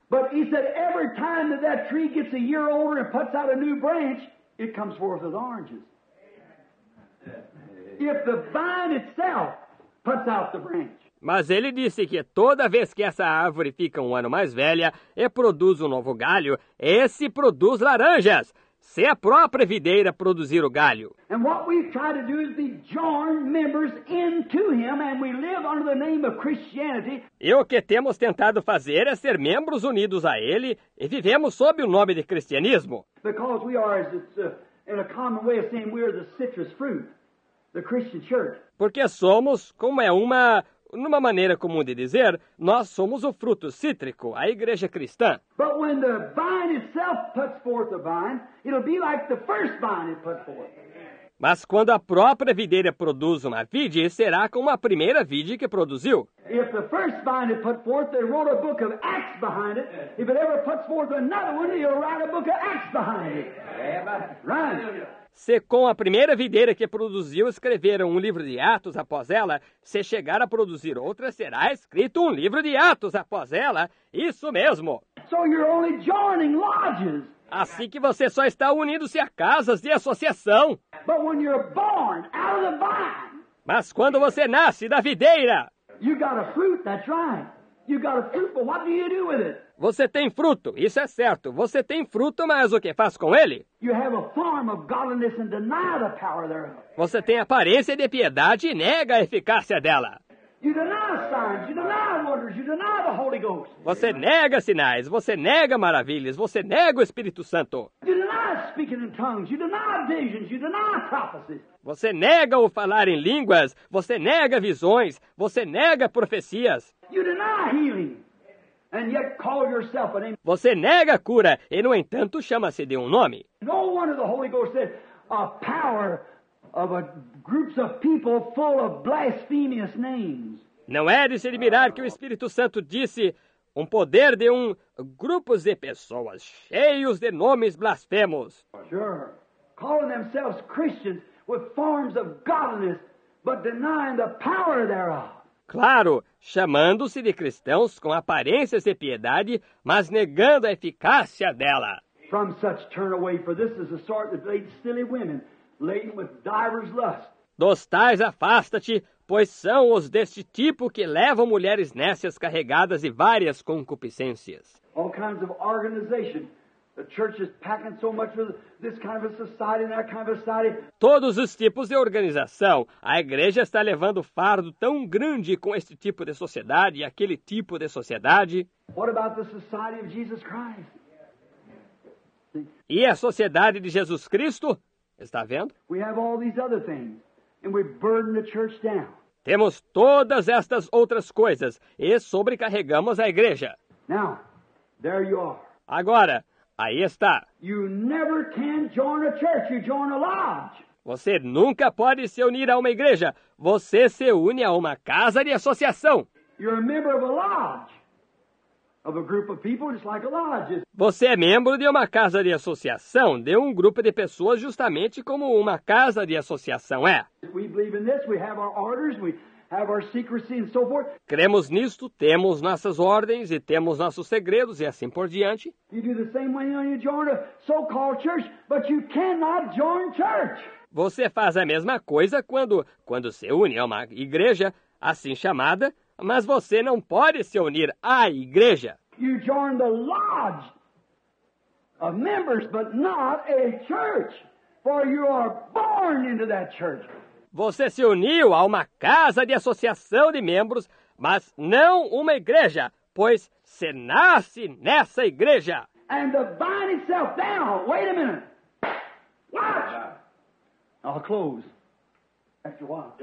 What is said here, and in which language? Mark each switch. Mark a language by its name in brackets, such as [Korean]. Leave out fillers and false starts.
[English] But he said, every time that tree gets a year older and puts out a new branch, it comes forth with oranges. If the vine itself puts out the branch. [Portuguese] Mas ele disse que toda vez que essa árvore fica um ano mais velha e produz um novo galho, esse produz laranjas. se a própria videira produzir o galho. [English] And what we've tried to do is be joined members into him, and we live under the name of Christianity. [Portuguese] E o que temos tentado fazer é ser membros unidos a ele e vivemos sob o nome de cristianismo. [English] Because we are, as it's in a common way of saying, we are the citrus fruit, the Christian church. [Portuguese] Porque somos, como é uma, numa maneira comum de dizer, nós somos o fruto cítrico, a igreja cristã. [English] But when the vine itself puts forth a vine, it'll be like the first vine it put forth. [Portuguese] Mas quando a própria videira produz uma vide, será como a primeira vide que produziu. [English] If the first vine it put forth, they wrote a book of Acts behind it. If it ever puts forth another one, you'll write a book of Acts behind it. Right. [Portuguese] Se com a primeira videira que produziu escreveram um livro de Atos após ela, se chegar a produzir outra, será escrito um livro de Atos após ela. Isso mesmo. [English] So you're only joining lodges. [Portuguese] Assim que você só está unindo-se a casas de associação. [English] But when you're born out of the vine, [Portuguese] mas quando você nasce da videira, [English] you got a fruit, that's right. You got a fruit, but what do you do with it? [Portuguese] Você tem fruto, isso é certo. Você tem fruto, mas o que faz com ele? [English] You have a form of godliness and deny the power thereof. [Portuguese] Você tem aparência de piedade e nega a eficácia dela. [English] You deny signs, you deny wonders, you deny the Holy Ghost. [Portuguese] Você nega sinais, você nega maravilhas, você nega o Espírito Santo. [English] You deny speaking in tongues, you deny visions, you deny prophecies. [Portuguese] Você nega o falar em línguas, você nega visões, você nega profecias. [English] You deny healing, and yet call yourself an amen. [Portuguese] Você nega a cura, e no entanto chama-se de um nome. [English] No one of the Holy Ghost said a power of a groups of people full of blasphemous names. [Portuguese] Não é de se admirar que o Espírito Santo disse um poder de um grupos de pessoas cheios de nomes blasfemos. [English] Sure. Calling themselves Christians with forms of godliness, but denying the power thereof. [Portuguese] Claro, chamando-se de cristãos com aparências de piedade, mas negando a eficácia dela. [English] From such turn away, for this is the sort that leads silly women, laden with divers lusts. [Portuguese] Dos tais afasta-te, pois são os deste tipo que levam mulheres nécias carregadas de várias concupiscências. [English] All kinds of organization. The church is packing so much with this kind of a society and that kind of a society. [Portuguese] Todos os tipos de organização. A igreja está levando fardo tão grande com este tipo de sociedade e aquele tipo de sociedade. [English] What about the society of Jesus Christ? [Portuguese] E a sociedade de Jesus Cristo? Está vendo? [English] We have all these other things, and we burden the church down. [Portuguese] Temos todas estas outras coisas e sobrecarregamos a igreja. [English] Now, there you are. [Portuguese] Agora, aí está. [English] You never can join a church, you join a lodge. [Portuguese] Você nunca pode se unir a uma igreja. Você se une a uma casa de associação. [English] You're a member of a lodge. Of a group of people, just like a lodge. [Portuguese] Você é membro de uma casa de associação, de um grupo de pessoas, justamente como uma casa de associação é. [English] We believe in this, we have our orders, we have our secrecy and so forth. [Portuguese] Cremos nisto, temos nossas ordens e temos nossos segredos e assim por diante. [English] You do the same way when you join a so-called church, but you cannot join church. [Portuguese] Você faz a mesma coisa quando se une a uma igreja assim chamada. Mas você não pode se unir à igreja. [English] You join the lodge of members, but not a church, for you are born into that church. [Portuguese] Você se uniu a uma casa de associação de membros, mas não uma igreja, pois se nasce nessa igreja. [English] And the vine itself, now, wait a minute. Watch. I'll close. After a while.